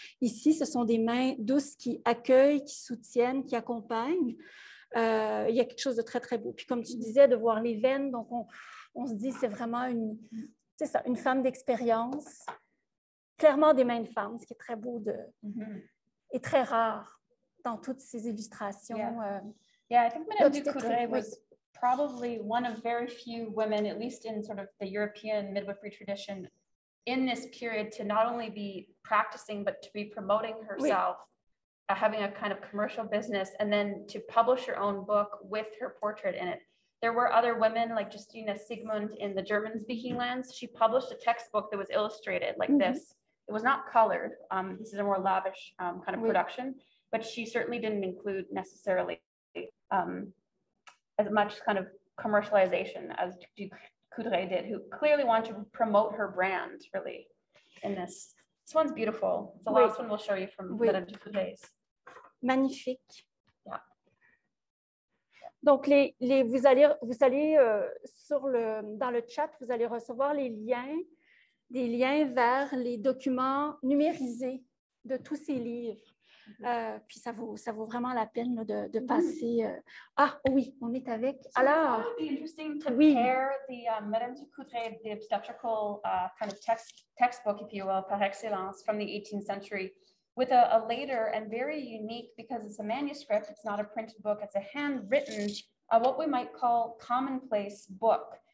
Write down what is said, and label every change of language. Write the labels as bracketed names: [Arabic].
[French] Ici, ce sont des mains douces qui accueillent, qui soutiennent, qui accompagnent. Il y a quelque chose de très, très beau. Puis comme tu disais, de voir les veines, donc on se dit que c'est vraiment une femme d'expérience. Clairement des mains de femme, ce qui est très beau et très rare dans toutes ces illustrations. [English] Yeah, I think Madame du Courret was probably one of very few women, at least in sort of the European midwifery tradition, in this period to not only be practicing, but to be promoting herself, having a kind of commercial business, and then to publish her own book with her portrait in it. There were other women like Justina Siegmund in the German speaking lands. She published a textbook that was illustrated like this. It was not colored. This is a more lavish kind of production, but she certainly didn't include necessarily as much kind of commercialization as du Coudray did, who clearly wanted to promote her brand really in this. This one's beautiful. It's the last one we'll show you from Madame du Coudray's. [French] Magnifique. Donc les vous allez sur le dans le chat, vous allez recevoir les liens, des liens vers les documents numérisés de tous ces livres. Puis ça vaut vraiment la peine là, de passer. On est avec. [English] So [French] alors. [English] It would be interesting to pair the Madame du Coudray, the obstetrical kind of textbook, if you will, par excellence, from the 18th century, with a later and very unique, because it's a manuscript, it's not a printed book, it's a handwritten, what we might call commonplace book.